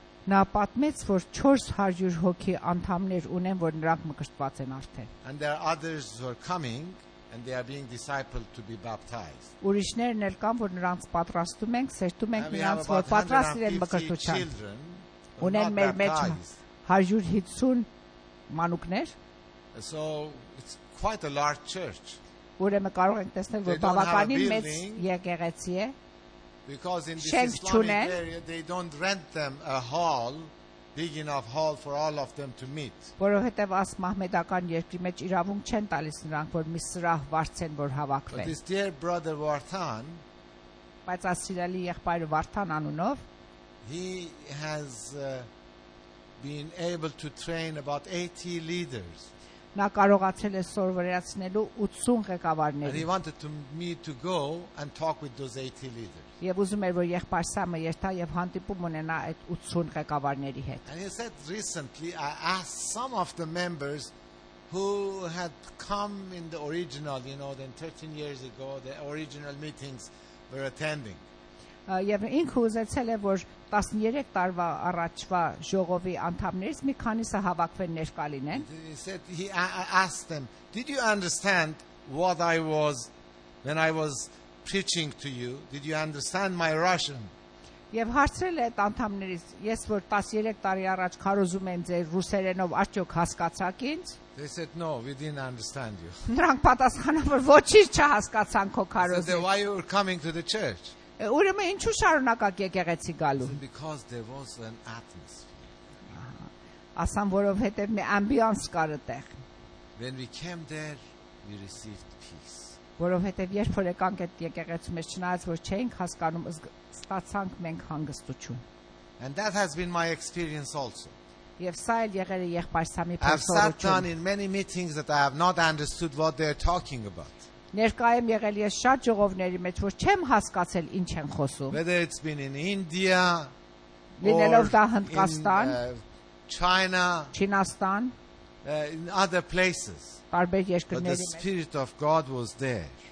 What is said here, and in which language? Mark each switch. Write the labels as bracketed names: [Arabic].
[Armenian] Նա պատմեց, որ 400 հոգի անդամներ ունեն, որ նրանք մկրտված են արդեն։ [English] And there are others who are coming. And they are being discipled to be baptized. [Armenian] Ուրիշներն էլ կան, որ նրանց պատրաստում ենք, սերտում ենք նրանց, որ պատրաստ իրեն մկրտության։ Ունեն մեր մեջ 150 մանուկներ։ [English] So it's quite a large church. [Armenian] Ուրեմն կարող ենք տեսնել, որ բավականին մեծ եկեղեցի է։ [English] Because in this Islamic area they don't rent them a hall. Big enough hall for all of them to meet. [Armenian] Որովհետև աս մահմեդական երկրի մեջ իրավունք չեն տալիս նրանք, որ մի սրահ վարձեն, որ հավաքվեն։ [English] But his dear brother Vartan, [Armenian] բայց աս սիրելի եղբայր Վարդան անունով, [English] he has been able to train about 80 leaders. [Armenian] Նա կարողացել է սովորեցնելու 80 ղեկավարներին։ [English] And he wanted me to go and talk with those 80 leaders. [Armenian] Եվ ուզում էր, որ եղբայրսամը երթա եւ հանդիպում ունենա այդ 80 ղեկավարների հետ։ [English] And he said recently I asked some of the members who had come in the original, you know, then 13 years ago, the original meetings were attending. [Armenian] Եվ ինքը ուզեցել է, որ 13 տարվա առաջվա ժողովի անդամներից մի քանիսը հավաքվեն ներկա լինեն։ [English] He said he asked them, did you understand what I was when I was preaching to you, did you understand my Russian? [Armenian] Եվ հարցրել է այդ անդամներից, ես որ 13 տարի առաջ քարոզում եմ ձեր ռուսերենով, արդյոք հասկացաք ինձ? [English] They said no, we didn't understand you. [Armenian] Նրանք պատասխանում որ ոչինչ չհասկացան քո քարոզին։ [English] They said why you were coming to the church? [Armenian] Ուրեմն ինչու շարունակակ եկեղեցի գալու։ [English] Because there was an atmosphere. [Armenian] Ասամ որովհետև մի ambiance կար այդտեղ։ [English] When we came there, we received peace. [Armenian] Որովհետև երբ որ եկանք այդ եկեղեցու մեջ, չնայած որ չէինք հասկանում, ստացանք մենք հանգստություն։ [English] And that has been my experience also. [Armenian] Եվ սա էլ եղել է եղբայրսամի փորձությունը։ [English] I've sat down in many meetings that I have not understood what they are talking about. [Armenian] Ներկա եմ եղել ես շատ ժողովների մեջ, որ չեմ հասկացել ինչ են խոսում։ [English] Whether it's been in India, [Armenian] լինելով դա Հնդկաստան, [English] China, [Armenian] Չինաստան, [English] in other places. [Armenian] Արբեր երկրների [English] մեջ. The Spirit of God was there.